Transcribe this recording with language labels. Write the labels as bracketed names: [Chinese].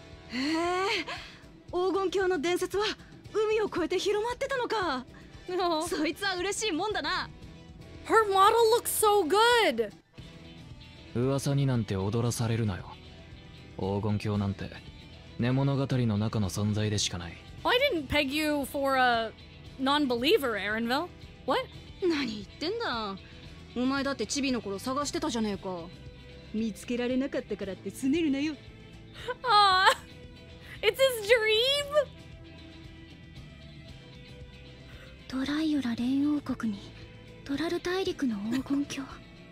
[Japanese] へえ、黄金鏡の伝説は海を越えて広まってたのか。そいつは嬉しいもんだな。 [English] Her model looks so good! [Japanese] 噂になんて踊らされるなよ。黄金鏡なんて、寝物語の中の存在でしかない。 [English] I didn't peg you for a non-believer, Erinvel. What? [Japanese] 何言ってんだ。お前だってチビの頃探してたじゃねえか。見つけられなかったからってすねるなよ。 [English] Aww! It's his dream? [Japanese] トライオラ連王国にトラル大陸の黄金鏡。